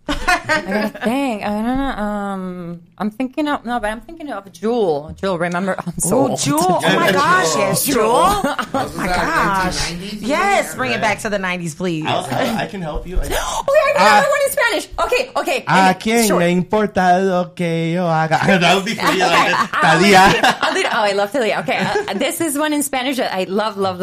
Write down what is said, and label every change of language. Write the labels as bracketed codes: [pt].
[en] Dang, I don't know. I'm thinking of Jewel. Jewel, remember? I'm so old. Jewel. Oh my gosh, yes, Jewel. Oh my gosh. Yes, bring it back to the 90s, please. I can help you. Okay, I got another one in Spanish. Okay. [es] A quien le importa lo que yo haga. [en] That would be for you. Talia. Oh, I love Talia. Okay, this is one in Spanish that I love.